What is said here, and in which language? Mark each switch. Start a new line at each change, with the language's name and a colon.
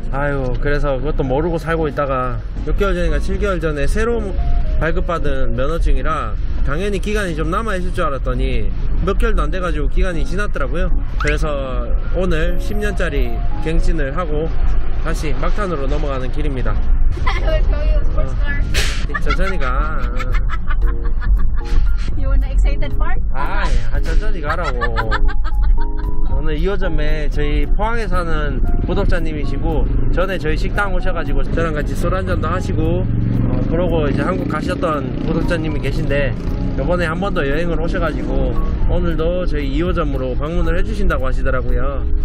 Korean: 아유, 그래서 그것도 모르고 살고 있다가 6개월 전인가 7개월 전에 새로운 발급받은 면허증이라 당연히 기간이 좀 남아있을 줄 알았더니 몇 개월도 안 돼가지고 기간이 지났더라고요. 그래서 오늘 10년짜리 갱신을 하고 다시 막탄으로 넘어가는 길입니다.
English: I will show you a sports car.
Korean: 천천히 가.
English: You want the excited part?
Korean: 아이, 천천히 가라고. 오늘 2호점에 저희 포항에 사는 구독자님이시고 전에 저희 식당 오셔가지고 저랑 같이 술 한잔도 하시고 그러고 이제 한국 가셨던 구독자님이 계신데 이번에 한 번 더 여행을 오셔가지고 오늘도 저희 2호점으로 방문을 해주신다고 하시더라고요.